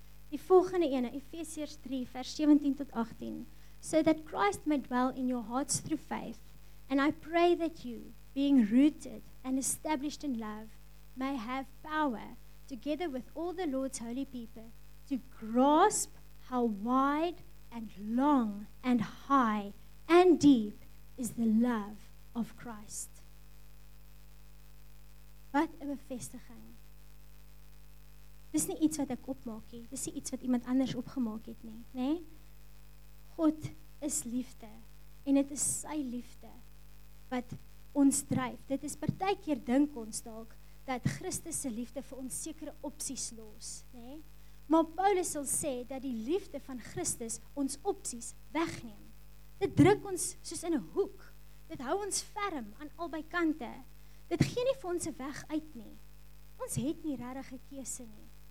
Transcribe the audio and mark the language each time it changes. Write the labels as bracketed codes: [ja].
[af] Die volgende ene, Efesiërs 3 vers 17 tot 18, [en] so that Christ may dwell in your hearts through faith, and I pray that you, being rooted and established in love, may have power, together with all the Lord's holy people, to grasp how wide and long and high and deep is the love of Christ. [af] Wat 'n bevestiging. Dis nie iets wat ek opmaak nie, dis nie iets wat iemand anders opgemaak het nie, nê? Nee? God is liefde en dit is sy liefde wat ons dryf. Dit is partykeer dink ons dalk dat Christus se liefde vir ons sekere opsies los, nê? Nee? Maar Paulus sal sê dat die liefde van Christus ons opsies wegneem. Dit druk ons soos in 'n hoek. Dit hou ons ferm aan albei kante. Dit gee nie vir ons 'n weg uit nie. Ons het nie regtig 'n keuse nie.